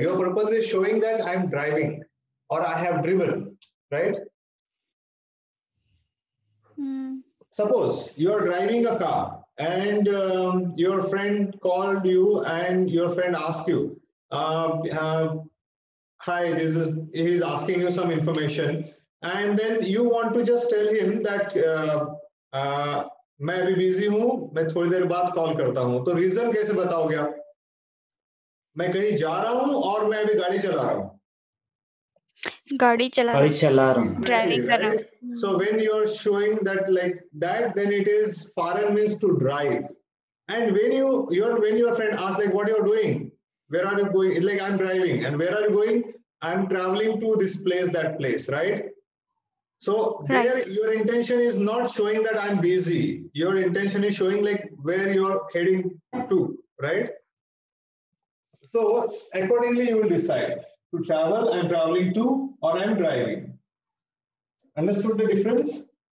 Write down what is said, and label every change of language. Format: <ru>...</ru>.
<en>Your purpose is showing that I am driving or I have driven, right? Suppose you are driving a car and your friend called you and your friend asked you, hi, this is, he's asking you some information. And then you want to just tell him that</en> <hi>मैं अभी busy हूँ मैं थोड़ी देर बाद call करता हूँ तो reason कैसे बताओगे आप मैं कहीं जा रहा हूँ</hi> <en>और मैं अभी गाड़ी चला रहा हूँ so when you are showing that like that then it is foreign means to drive and when your friend ask like what you are doing where are you going it's like I am driving and where are you going I am travelling to this place that place right So right. there, your intention is not showing that I'm busy. Your intention is showing like where you're heading to, right? So accordingly, you will decide to travel, I'm traveling to, or I'm driving. Understood the difference?</en>